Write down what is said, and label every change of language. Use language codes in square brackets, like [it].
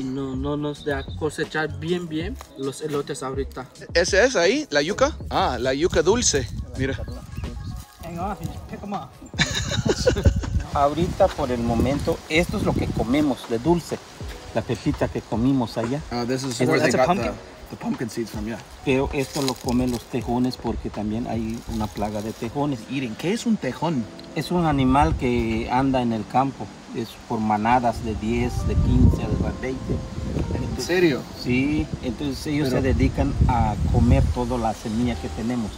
[es] y no nos deja cosechar bien los elotes ahorita. ¿Ese es ahí, la yuca? Ah, la yuca dulce. Mira. Ahorita por el momento esto es lo que comemos de dulce, la pepita que comimos allá. [en] Oh, this is where they got the pumpkin seeds from, yeah. [es] Pero esto lo comen los tejones porque también hay una plaga de tejones. Irene, ¿qué es un tejón? Es un animal que anda en el campo, es por manadas de 10, de 15, de 20. ¿En serio? Sí, entonces ellos se dedican a comer toda la semilla que tenemos.